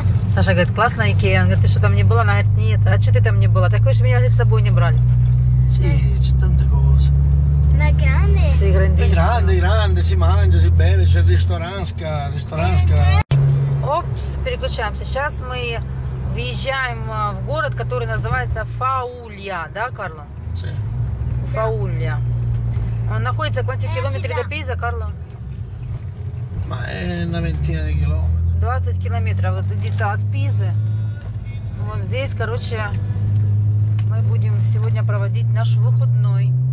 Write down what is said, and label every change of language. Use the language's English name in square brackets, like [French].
[Russian] Саша говорит, классно, Икея. Он говорит, ты что там не была? Она говорит, нет. А что ты там не была? Такой же меня с собой не брали. [Italian] Sì, c'è tante cose. Ma sì, grande, si mangia, si beve, c'è ristoranska. [Russian] Опс, переключаемся. Сейчас мы въезжаем в город, который называется Фаулья, да, Карло? [Italian] Sì. [Russian] Фаулья. Он находится [Italian] quanti chilometri da Pisa, Карло? Ma è una ventina di chilometri. [Russian] 20 километров где-то от Пизы. Вот здесь, короче, мы будем сегодня проводить наш выходной.